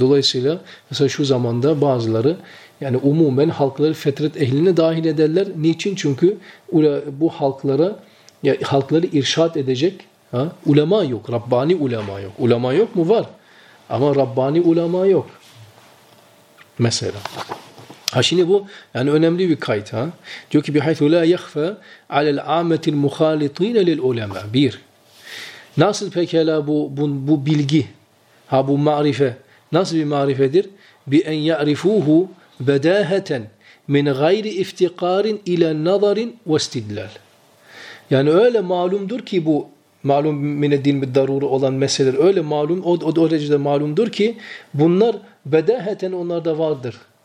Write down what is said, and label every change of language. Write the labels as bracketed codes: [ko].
[tr] Dolayısıyla mesela şu zamanda bazıları yani umumen halkları fetret ehline dahil ederler. Niçin? Çünkü bu halklara, ya halkları irşat edecek ulema yok, Rabbani ulema yok. Ulema yok mu? Var. Ama Rabbani ulema yok. Mesela. Ha şimdi bu yani önemli bir kayıt ha. [ar] Diyor ki بِحَيْثُ لَا يَخْفَ عَلَى الْعَامَةِ الْمُخَالِط۪ينَ لِلْعُلَمَا [tr] Bir. Nasıl pekala bu bilgi, ha bu marife, nasıl bir marifedir? [ar] بِاَنْ يَعْرِفُوهُ بَدَاهَةً مِنْ غَيْرِ اِفْتِقَارٍ اِلَى النَّظَرٍ وَاسْتِدْلَلْ [tr] Yani öyle malumdur ki bu malum mine din bir darur olan meseleler öyle malum, o derecede malumdur ki bunlar bedaheten onlarda vardır.